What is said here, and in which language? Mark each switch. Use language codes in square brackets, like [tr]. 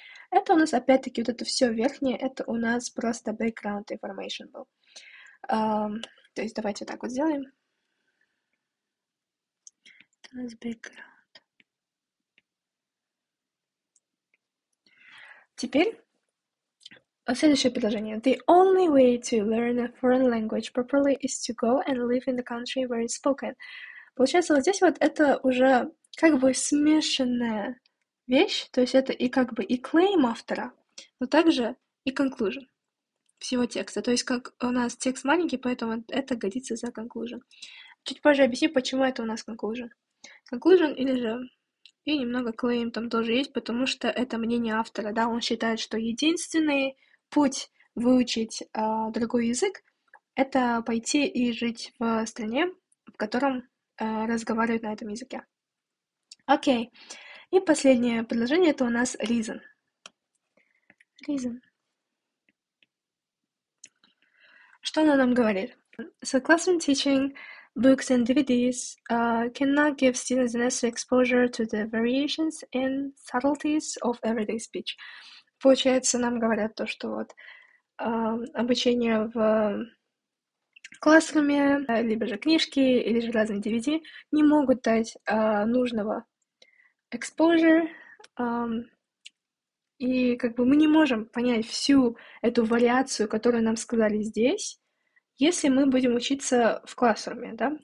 [ru] Это у нас, опять-таки, вот это все верхнее, это у нас просто [en] background information [ru] был. То есть давайте так вот сделаем. У нас background. Теперь следующее предложение. [en] The only way to learn a foreign language properly is to go and live in the country where it's spoken. [ru] Получается, вот здесь вот это уже как бы смешанная вещь, то есть это и как бы и claim автора, но также и conclusion всего текста. То есть как у нас текст маленький, поэтому это годится за conclusion. Чуть позже объясню, почему это у нас conclusion. Conclusion или же... И немного claim там тоже есть, потому что это мнение автора, да, он считает, что единственный путь выучить другой язык — это пойти и жить в стране, в котором разговаривают на этом языке. Окей. И последнее предложение — это у нас reason. [en] Reason. [ru] Что она нам говорит? [en] So, classroom teaching books and DVDs cannot give students the necessary exposure to the variations and subtleties of everyday speech. [ru] Получается, нам говорят то, что вот обучение в классруме, либо же книжки, или же разные DVD не могут дать нужного exposure. И как бы мы не можем понять всю эту вариацию, которую нам сказали здесь, если мы будем учиться в классруме, да?